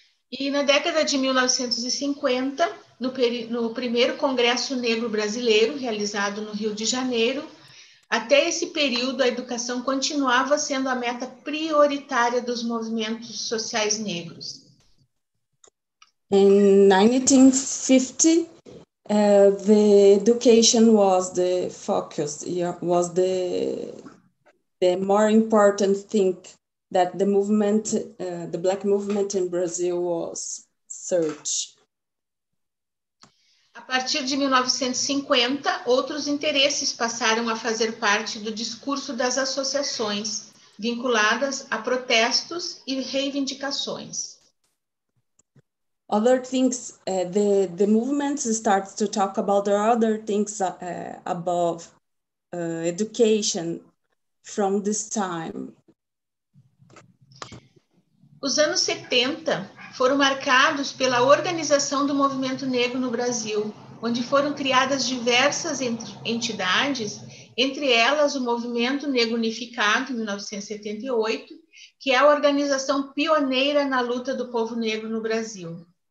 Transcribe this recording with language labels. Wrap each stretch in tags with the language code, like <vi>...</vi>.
<pt>E na década de 1950, no primeiro Congresso Negro Brasileiro, realizado no Rio de Janeiro, até esse período a educação continuava sendo a meta prioritária dos movimentos sociais negros.</pt> <en>In 1950, the education was the focus, was the more important thing that the movement, the black movement in Brazil was searched.</en> <pt>A partir de 1950, outros interesses passaram a fazer parte do discurso das associações vinculadas a protestos e reivindicações.</pt> <en>Other things, the movement starts to talk about the other things above education from this time.</en> <pt>Os anos 70 foram marcados pela organização do movimento negro no Brasil, onde foram criadas diversas entidades, entre elas o Movimento Negro Unificado, em 1978, que é a organização pioneira na luta do povo negro no Brasil.</pt>